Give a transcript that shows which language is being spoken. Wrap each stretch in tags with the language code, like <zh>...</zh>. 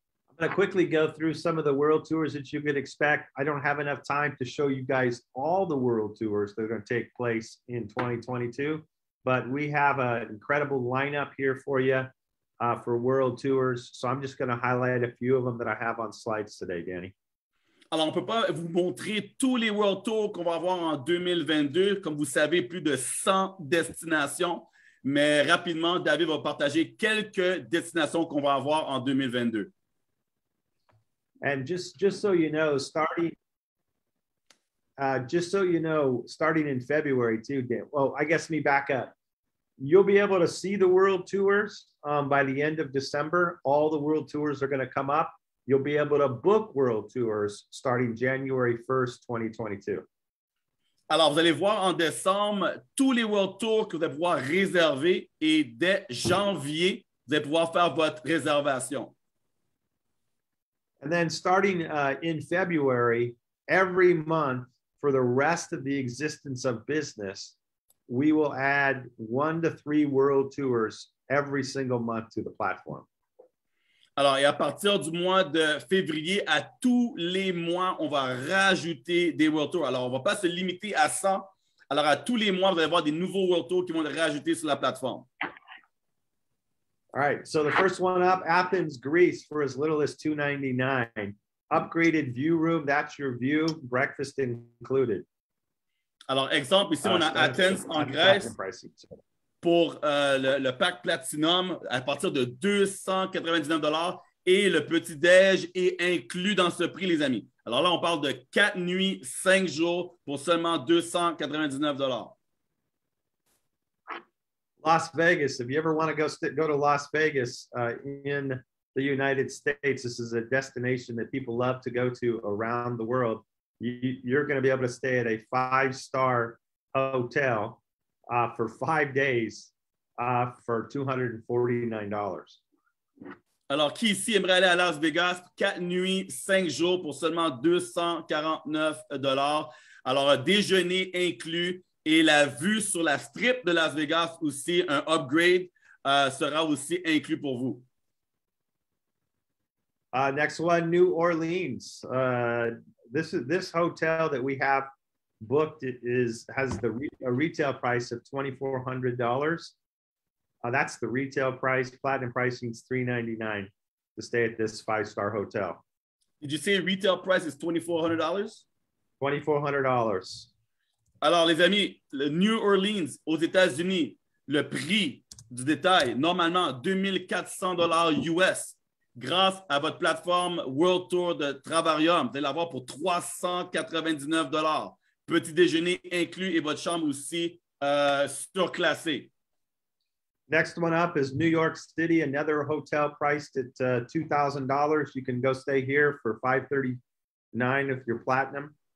<en>I'm going to quickly go through some of the world tours that you could expect. I don't have enough time to show you guys all the world tours that are going to take place in 2022. But we have an incredible lineup here for you for world tours. So I'm just going to highlight a few of them that I have on slides today, Danny.</en> <fr>Alors, on ne peut pas vous montrer tous les world tours qu'on va avoir en 2022. Comme vous savez, plus de 100 destinations. Mais rapidement, David va partager quelques destinations qu'on va avoir en 2022.</fr> <en>And just so you know, starting in February too, Dan. Well, I guess let me back up. You'll be able to see the world tours by the end of December. All the world tours are going to come up. You'll be able to book world tours starting January 1st, 2022.</en> <fr>Alors, vous allez voir en décembre tous les world tours que vous allez pouvoir réserver et dès janvier, vous allez pouvoir faire votre réservation.</fr> <en>And then starting in February, every month, for the rest of the existence of business, we will add 1 to 3 world tours every single month to the platform.</en> <fr>Alors, et à partir du mois de février, à tous les mois, on va rajouter des world tours. Alors, on va pas se limiter à 100. Alors, à tous les mois, vous allez avoir des nouveaux world tours qui vont être rajoutés sur la plateforme.</fr> <en>All right, so the first one up, Athens, Greece, for as little as $299. Upgraded view room, that's your view, breakfast included.</en> <fr>Alors, exemple, ici, on a Athens en Grèce. Pour le pack platinum, à partir de $299, et le petit déj est inclus dans ce prix, les amis. Alors là, on parle de 4 nuits, 5 jours pour seulement $299.</fr> <en>Las Vegas. If you ever want to go to Las Vegas in the United States, this is a destination that people love to go to around the world. You're going to be able to stay at a 5-star hotel for 5 days for $249.</en> <fr>Alors, qui ici aimerait aller à Las Vegas 4 nuits, 5 jours pour seulement $249? Alors, déjeuner inclus et la vue sur la strip de Las Vegas aussi, un upgrade sera aussi inclus pour vous.</fr> <en>Next one, New Orleans. This hotel that we have booked has a retail price of $2,400. That's the retail price. Platinum pricing is $399 to stay at this 5-star hotel. Did you say retail price is $2,400? $2,400.</en> <fr>Alors, les amis, le New Orleans aux États-Unis, le prix du détail, normalement $2,400 US. Grâce à votre plateforme World Tour de Travarium, vous allez l'avoir pour $399. Petit déjeuner inclus et votre chambre aussi surclassée.</fr> <en>Next one up is New York City, another hotel priced at $2,000. You can go stay here for $539 if you're platinum.</en>